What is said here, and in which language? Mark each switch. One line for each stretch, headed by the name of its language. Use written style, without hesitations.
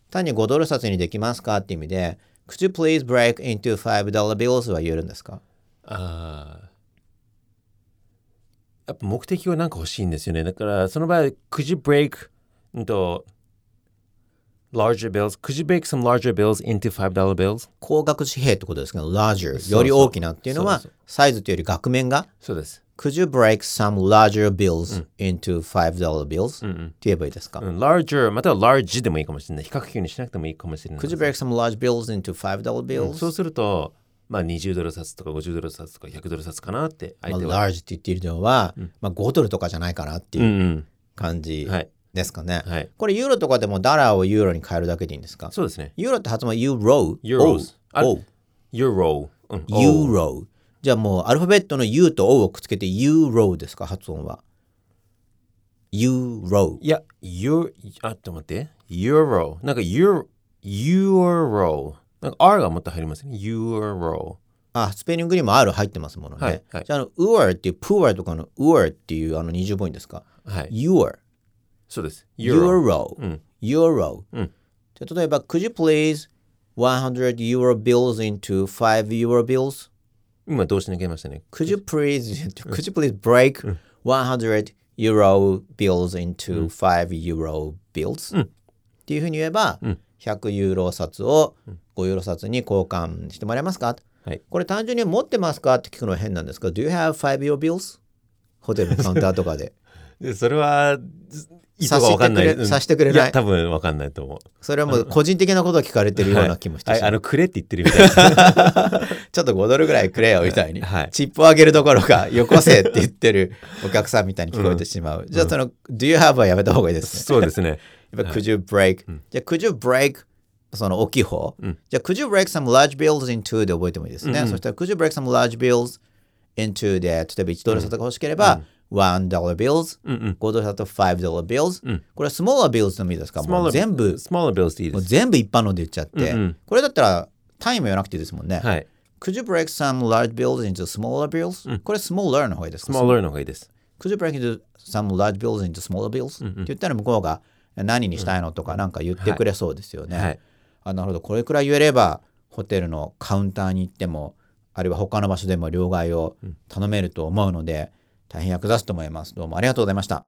Japanese: 単に5ドル札にできますかっていう意味で、
English: Could you please break into $5 bills
Japanese: は言えるんですか。あ、やっぱ目的は何か欲しいんですよね。だからその場合
English: Could you break into larger bills? Could you break some larger bills into $5 bills?
Japanese: 高額紙幣ってことですけど、 larger、 そうそう、より大きなっていうのは、そうそう、サイズというより額面が、そうです。
English: Could you break some larger bills into $5 bills?
Japanese: って言えばいいですか。うん、larger または large でもいいかもしれない。比較級にしなくてもいいかもしれない。
English: Could you break some large bills into $5 bills?、
Japanese: うん、そうすると、まあ、20ドル札とか50ドル札とか100ドル札かなって相手は。まあ、large って言っているのは、うん、まあ、5ドルとかじゃないかなっていう感じですかね。うんうん、はい、これユーロとかでもダラーをユーロに変えるだけでいいんですか。そうですね。ユーロって発音は euro。
English: euros。 o。 euro。 euro。
Japanese: じゃあもうアルファベットの U と O をくっつけて Euro ですか、発音は。
English: Euro。
Japanese: いや、あ、待って。Euro。 なんか Euro。なんか R がもっと入りますね。
English: Euro。
Japanese: あ、スペリングにも R 入ってますものね。はいはい、じゃあ、Ur っていう、Puer とかの Ur っていうあの二重母音ですか。はい、 Ur。そうです。
English: Euro。
Japanese: うん、
English: Euro、
Japanese: うん。
English: じゃあ、例えば、Could you please 100 Euro bills into 5 Euro bills?
Japanese: 今どうしなきゃいけましたね。
English: Could you please, could you please break 100 euro bills into 5 euro bills?、
Japanese: うん、っていうふうに言えば、うん、 100ユーロ札を5ユーロ札に交換してもらえますか、はい、これ単純に持ってますかって聞くのは変なんですけど、
English: Do you have 5 euro bills?
Japanese: ホテルのカウンターとかで。でそれは、意図が分かんない。察してくれない。いや、多分分かんないと思う。それはもう個人的なことを聞かれてるような気もしてしまう。はい、あの、くれって言ってるみたいな。ちょっと5ドルぐらいくれよ、みたいに、はい。チップをあげるどころか、よこせって言ってるお客さんみたいに聞こえてしまう。うん、じゃあその、
English: do you have
Japanese: はやめた方がいいです、ね。そうですね。
English: やっぱ、could you break?、はい、じゃあ、could you break?
Japanese: その大きい方。うん、じゃあ、
English: could you break some large bills into?
Japanese: で覚えてもいいですね。うん、そしたら、
English: could you break some large bills
Japanese: into で例えば1ドル札が欲しければ、うん、1ドル bills、うんうん、 5ドル札と5ドル bills、うん、これはスモーラービルズのみですか、
English: smaller、
Japanese: もう全部スモーラービルズでいいです、もう全部一般ので言っちゃって、うんうん、これだったら単位も言わなくていいですもんね、はい、
English: Could you break some large bills into smaller bills?、
Japanese: うん、これ smaller の方ですか、 smaller の方です。
English: Could you break into some large bills into smaller bills?、
Japanese: うんうん、って言ったら向こうが何にしたいのとかなんか言ってくれそうですよね、うん、はい、あ、なるほど、これくらい言えればホテルのカウンターに行ってもあるいは他の場所でも両替を頼めると思うので大変役立つと思います。どうもありがとうございました。